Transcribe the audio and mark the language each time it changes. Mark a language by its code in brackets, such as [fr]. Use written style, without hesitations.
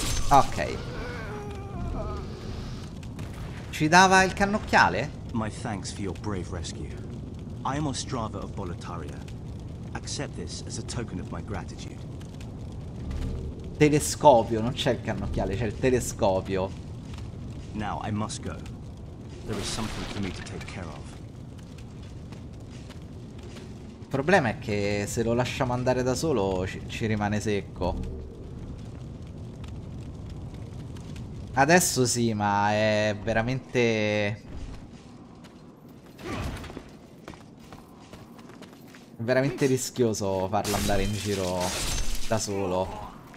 [it] Ok. Ci dava il cannocchiale? [en] My thanks for your brave rescue. I am Ostrava of Boletaria. Accept this as a token of my gratitude. [it] Telescopio, non c'è il cannocchiale, c'è il telescopio. [en] Now I must go. There is something for me to take care of. [it] Il problema è che se lo lasciamo andare da solo ci rimane secco. Adesso sì, ma è veramente... È veramente rischioso farlo andare in giro da solo.